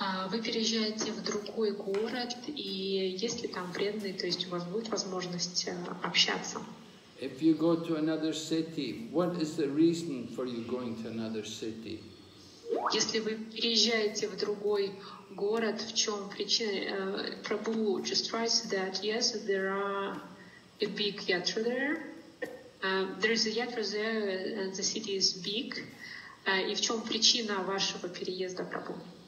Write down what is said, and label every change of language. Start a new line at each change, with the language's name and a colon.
Russian: Вы переезжаете в другой город, и есть ли там преданные, то есть у вас будет возможность общаться?
English: If you go to another city, what is the reason for you going to another city?
Russian: Если вы переезжаете в другой город, в чем причина?
English: Prabhu just writes that yes, there are a big yatra there. There is a yatra there, and the city is big.
Russian: И в чем причина вашего переезда, Prabhu?